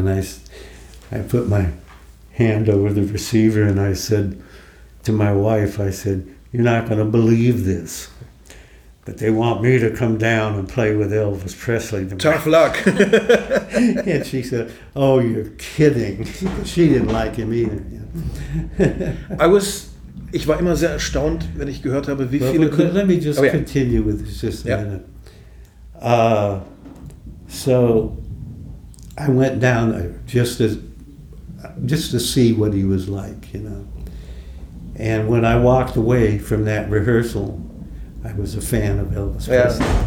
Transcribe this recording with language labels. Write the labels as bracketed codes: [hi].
[en] And I put my hand over the receiver and I said to my wife, I said, you're not going to believe this, but they want me to come down and play with Elvis Presley tomorrow. Tough luck. And she said, oh, you're kidding. She didn't like him either. [de] Ich war immer sehr erstaunt, wenn ich gehört habe, wie viele... [en] Let me just continue with this just a minute. So I went down just to see what he was like, you know. And when I walked away from that rehearsal, I was a fan of Elvis Presley.